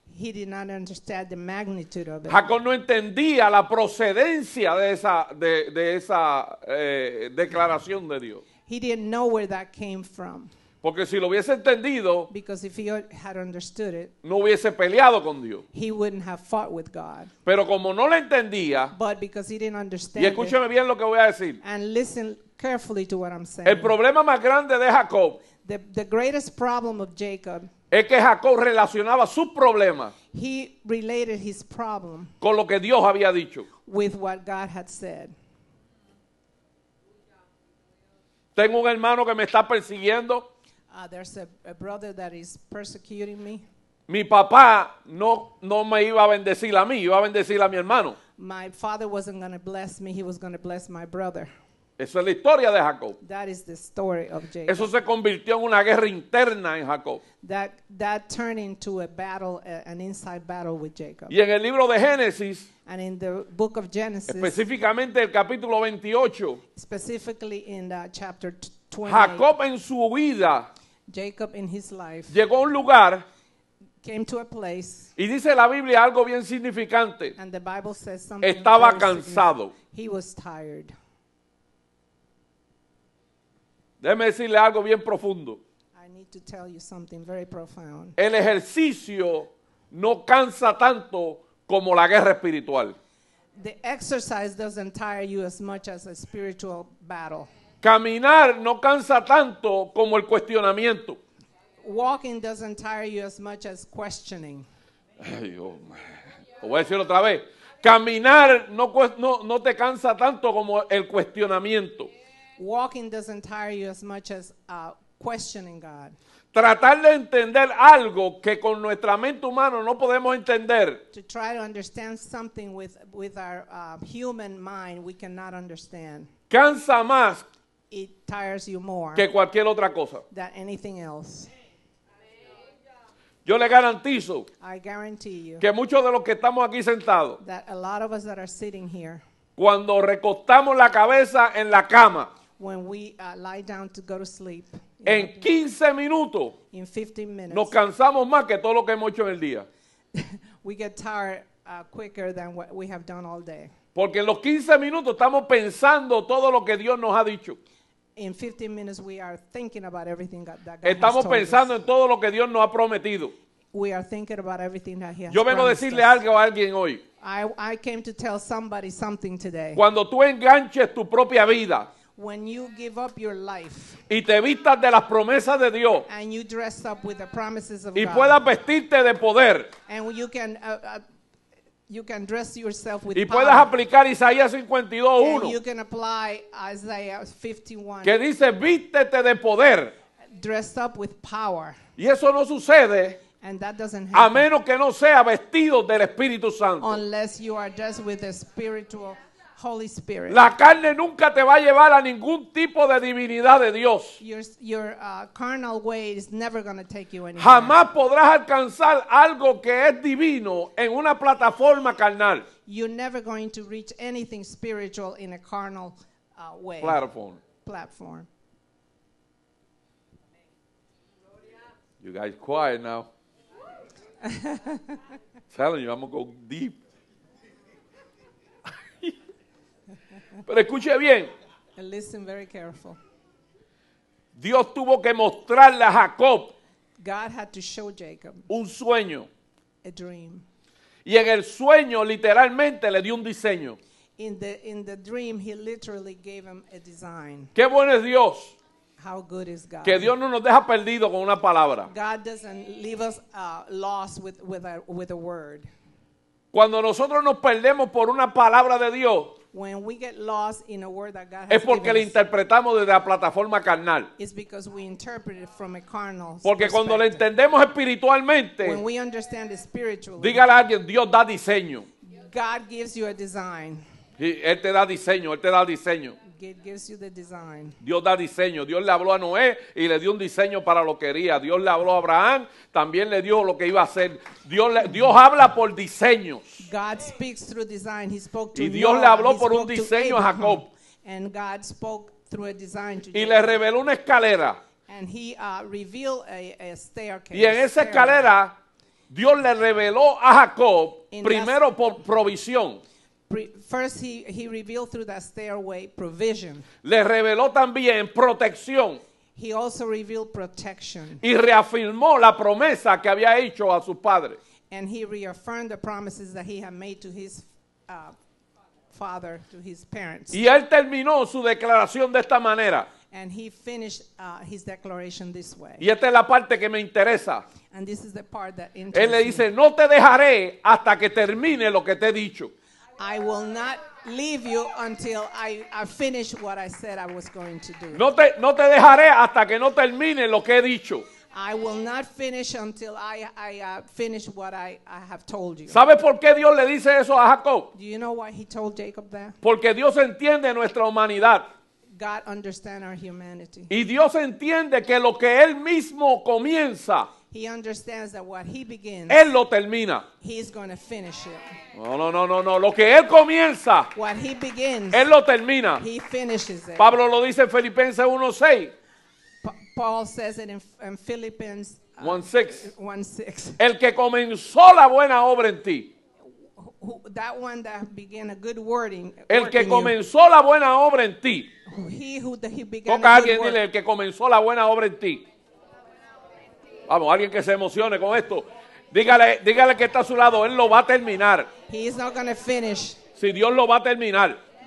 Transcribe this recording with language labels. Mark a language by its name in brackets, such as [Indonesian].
[English] He did not understand the magnitude of it. [Spanish] Jacob no entendía la procedencia de esa declaración de Dios. [English] He didn't know where that came from. [Spanish] Porque si lo hubiese entendido, [English] because if he had understood it, [Spanish] no hubiese peleado con Dios. [English] He wouldn't have fought with God. [Spanish] Pero como no lo entendía, [English] but because he didn't understand [Spanish] y escúcheme [English] it, [Spanish] bien lo que voy a decir. [English] And listen carefully to what I'm saying. [Spanish] El problema más grande de Jacob, [English] the greatest problem of Jacob, [Spanish] es que Jacob relacionaba su problema, [English] he related his problem, [Spanish] con lo que Dios había dicho, [English] with what God had said. [Spanish] Tengo un hermano que me está persiguiendo. [English] There's a brother that is persecuting me. [Spanish] Mi papá no me iba a bendecir a mí, iba a bendecir a mi hermano. [English] My father wasn't going to bless me, he was going to bless my brother. [Spanish] Eso es la historia de Jacob. [English] That is the story of Jacob. [Spanish] Eso se convirtió en una guerra interna en Jacob. [English] That turned into a battle, an inside battle with Jacob. [Spanish] Y en el libro de Génesis, [English] and in the book of Genesis, [Spanish] específicamente el capítulo 28, [English] specifically in chapter 28, [Spanish] Jacob en su huida, [English] Jacob in his life, [Spanish] llegó a un lugar, [English] came to a place, [Spanish] y dice la Biblia algo bien significante, [English] and the Bible says something, [Spanish] estaba cansado. [English] He was tired. [Spanish] Déjeme decirle algo bien profundo. [English] I need to tell you something very profound. [Spanish] El ejercicio no cansa tanto como la guerra espiritual. [English] The exercise doesn't tire you as much as a spiritual battle. [Spanish] Caminar no cansa tanto como el cuestionamiento. [English] Walking doesn't tire you as much as questioning. [Spanish] Ay, oh, voy a decirlo otra vez. Caminar no te cansa tanto como el cuestionamiento. [English] Walking doesn't tire you as much as questioning God. [Spanish] Tratar de entender algo que con nuestra mente humana no podemos entender. [English] To try to understand something with our human mind we cannot understand. [Spanish] Cansa más. [English] It tires you more. [Spanish] Que cualquier otra cosa. [English] Than anything else. [Spanish] Yo le garantizo. [English] I guarantee you. [Spanish] Que muchos de los que estamos aquí sentados. [English] That a lot of us that are sitting here. [Spanish] Cuando recostamos la cabeza en la cama. [English] When we lie down to go to sleep. [Spanish] En 15 minutos. [English] In 15 minutes. [Spanish] Nos cansamos más que todo lo que hemos hecho en el día. [English] We get tired quicker than what we have done all day. [Spanish] Porque en los 15 minutos estamos pensando todo lo que Dios nos ha dicho. [English] In 15 minutes we are thinking about everything that God has told us. [Spanish] Estamos pensando en todo lo que Dios nos ha prometido. [English] We are thinking about everything that he has promised. [Spanish] Yo vengo a decirle algo a alguien hoy. [English] I came to tell somebody something today. [Spanish] Cuando tú enganches tu propia vida, [English] when you give up your life, [Spanish] y te vistas de las promesas de Dios, [English] and you dress up with the promises of [Spanish] y [English] God, [Spanish] puedas vestirte de poder, [English] and you can dress yourself with [Spanish] y [English] power, [Spanish] puedas aplicar Isaías 52:1, [English] and you can apply Isaiah 51, [Spanish] que dice vístete de poder, [English] dress up with power, [Spanish] y eso no sucede. [English] And that doesn't happen. [Spanish] A menos que no sea vestido del Espíritu Santo. [English] Unless you are dressed with the spiritual Holy Spirit. [Spanish] La carne nunca te va a llevar a ningún tipo de divinidad de Dios. [English] Your carnal way is never going to take you anywhere. [Spanish] Jamás podrás alcanzar algo que es divino en una plataforma carnal. [English] You're never going to reach anything spiritual in a carnal way. Platform. You guys quiet now. Telling you, I'm gonna go deep. [Spanish] Pero escuche bien. [English] And listen very careful. [Spanish] Dios tuvo que mostrarle a Jacob. [English] God had to show Jacob. [Spanish] Un sueño. [English] A dream. [Spanish] Y en el sueño literalmente le dio un diseño. [English] In the dream he literally gave him a design. [Spanish] Qué bueno es Dios. [English] How good is God? [Spanish] Que Dios no nos deja perdido con una palabra. [English] God doesn't leave us lost with a word. [Spanish] Cuando nosotros nos perdemos por una palabra de Dios, [English] when we get lost in a word that God has [Spanish] es porque [English] given [Spanish] le interpretamos desde la plataforma carnal. [English] It's because we interpret it from a carnal perspective. [Spanish] Porque cuando le entendemos espiritualmente, [English] when we understand it spiritually, [Spanish] dígale a alguien, Dios da diseño. [English] God gives you a design. [Spanish] Y él te da diseño, Él te da diseño. [English] God gives you the design. [Spanish] Dios da diseño. Dios le habló a Noé y le dio un diseño para lo que quería. Dios le habló a Abraham, también le dio lo que iba a hacer. Dios habla por diseños. [English] God speaks through design. He spoke to [Spanish] y Dios [English] Noah. [Spanish] Le habló [English] He [Spanish] por un diseño [English] Abraham. [Spanish] A Jacob. [English] And God spoke through a design to [Spanish] y le reveló una escalera. [English] And he revealed a staircase. [Spanish] Y en esa escalera, Dios le reveló a Jacob in primero por provisión. [English] First he revealed through that stairway provision. [Spanish] Le reveló también protección. [English] He also revealed protection. [Spanish] Y reafirmó la promesa que había hecho a su padre. [English] And he reaffirmed the promises that he had made to his father, to his parents. [Spanish] Y él terminó su declaración de esta manera. [English] And he finished his declaration this way. [Spanish] Y esta es la parte que me interesa. [English] And this is the part that interests me. [Spanish] Él le dice, no te dejaré hasta que termine lo que te he dicho. [English] I will not leave you until I finish what I said I was going to do. [Spanish] No te dejaré hasta que no termine lo que he dicho. [English] I will not finish until I finish what I have told you. [Spanish] ¿Sabes por qué Dios le dice eso a Jacob? [English] Do you know why he told Jacob that? [Spanish] Porque Dios entiende nuestra humanidad. [English] God understands our humanity. [Spanish] Y Dios entiende que lo que él mismo comienza, [English] he understands that what he begins, [Spanish] él lo termina. [English] He's going to finish it. [Spanish] No. Lo que él comienza, [English] what he begins, [Spanish] él lo termina. [English] He finishes it. [Spanish] Pablo lo dice en Filipenses 1:6. [English] Paul says it in Philippians 1:6. [Spanish] El que comenzó la buena obra en ti. [English] That one that began a good word in you. [Spanish] El que comenzó la buena obra en ti. [English] He began [Spanish] toca a alguien, dile, el que comenzó la buena obra en ti. Vamos, alguien que se emocione con esto. Dígale que está a su lado, él lo va a terminar. [English] He is not going to finish. [Spanish] Si Dios lo va a terminar.